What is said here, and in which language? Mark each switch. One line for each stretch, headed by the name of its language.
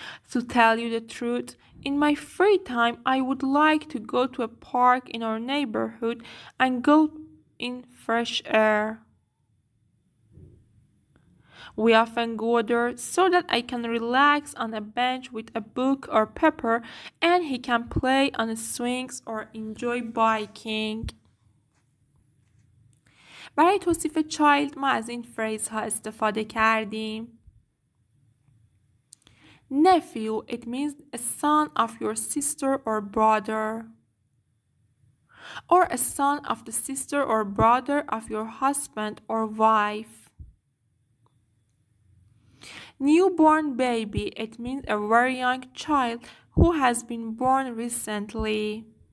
English: To tell you the truth, in my free time, I would like to go to a park in our neighborhood and go in fresh air. We often go there so that I can relax on a bench with a book or paper and he can play on the swings or enjoy biking.
Persian: برای توصیف چایلد ما از این فریز ها استفاده کردیم.
English: Nephew, it means a son of your sister or brother. Or a son of the sister or brother of your husband or wife. Newborn baby, it means a very young child who has been born recently.